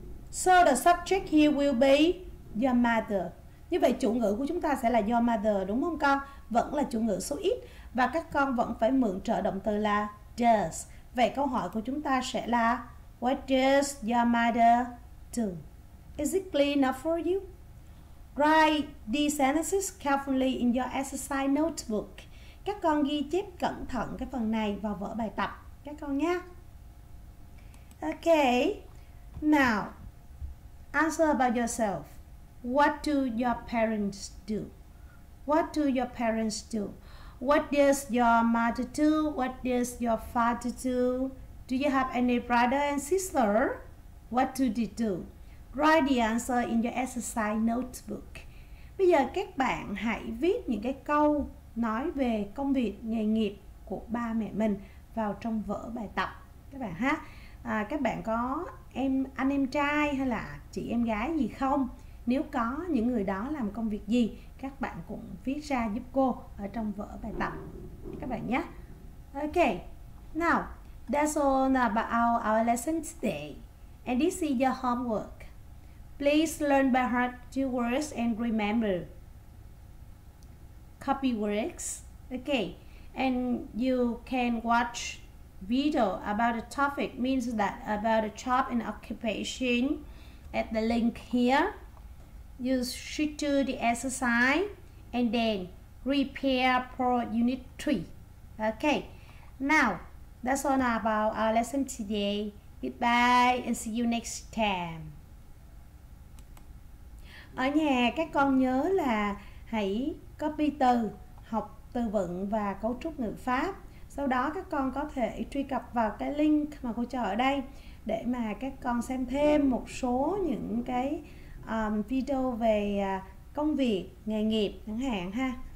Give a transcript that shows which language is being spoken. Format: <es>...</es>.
<en>So the subject here will be your mother.</en> <vi>Như vậy chủ ngữ của chúng ta sẽ là</vi> <en>your mother,</en> <vi>đúng không con? Vẫn là chủ ngữ số ít. Và các con vẫn phải mượn trợ động từ là does. Vậy câu hỏi của chúng ta sẽ là</vi> <en>what does your mother do? Is it clear enough for you? Write these sentences carefully in your exercise notebook.</en> <vi>Các con ghi chép cẩn thận cái phần này vào vở bài tập các con nhé.</vi> <en>Okay, now answer about yourself. What do your parents do? What do your parents do? What does your mother do? What does your father do? Do you have any brother and sister? What do they do? Write the answer in your exercise notebook.</en> <vi>Bây giờ các bạn hãy viết những cái câu nói về công việc, nghề nghiệp của ba mẹ mình vào trong vở bài tập các bạn ha. Các bạn có anh em trai hay là chị em gái gì không? Nếu có những người đó làm công việc gì, các bạn cũng viết ra giúp cô ở trong vở bài tập các bạn nhé.</vi> <en>Ok, now that's all about our lesson today. And this is your homework. Please learn by heart two words and remember. Copy works. Okay, and you can watch video about the topic, means that about a job and occupation at the link here. You should do the exercise and then repair for unit 3. Okay, now that's all about our lesson today. Goodbye and see you next time.</en> <vi>Ở nhà các con nhớ là hãy copy từ, học từ vựng và cấu trúc ngữ pháp. Sau đó các con có thể truy cập vào cái link mà cô cho ở đây để mà các con xem thêm một số những cái video về công việc, nghề nghiệp chẳng hạn ha.</vi>